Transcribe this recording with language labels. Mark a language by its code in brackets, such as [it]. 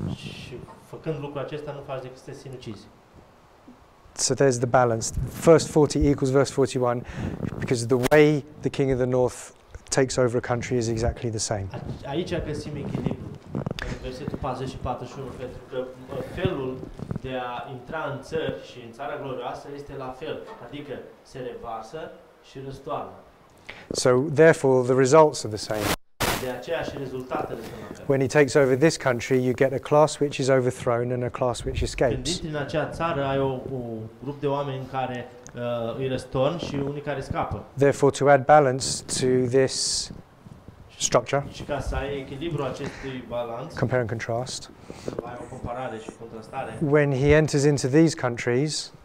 [ro] Și făcând lucrul acesta nu faci decât să te sinucizi. [en] So there's the balance. First 40 equals verse 41 because the way the king of the north takes over a country is exactly the same. [ro] Aici găsim echilibru. Versetul 41, pentru că felul de a intra în țări și în țara glorioasă este la fel, adică se revarsă și răstoarnă. [en] So therefore the results are the same. [ro] De aceea și rezultatele sunt la fel. [en] When he takes over this country, you get a class which is overthrown and a class which escapes. [ro] Când intri în acea țară, ai un grup de oameni care îi răstorn și unii care scapă. [en] Therefore to add balance to this structure. [ro] Și ca să ai echilibru acestui balanț. [en] Compare and contrast. [ro] Ai o comparare și contrastare. [en] When he enters into these countries,